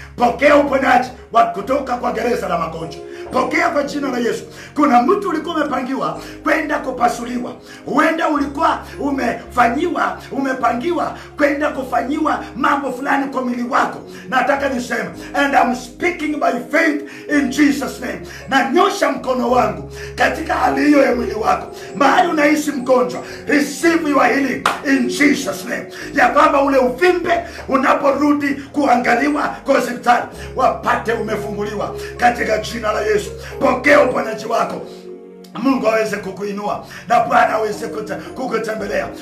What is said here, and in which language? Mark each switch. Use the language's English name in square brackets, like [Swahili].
[Swahili] Pokea uponaji wa kutoka kwa gereza la magonjwa. Pokea kwa jina la Yesu. Kuna mtu ulikuwa umepangiwa kwenda kupasuliwa. Huenda ulikuwa umefanyiwa, umepangiwa kwenda kufanyiwa mambo fulani kwa mwili wako. Nataka niseme, [English] and I'm speaking by faith in Jesus name. [Swahili] Na nyosha mkono wangu katika hali hiyo ya mwili wako. Mahali unaishi mgonjwa, [English] receive your healing in Jesus name. [Swahili] Ya kwamba ule uvimbe unaporudi kuangaliwa kwa hospitali, wapate umefunguliwa katika jina la Yesu. Pokea uponaji wako. Mungu aweze kukuinua na Bwana aweze kukutembelea.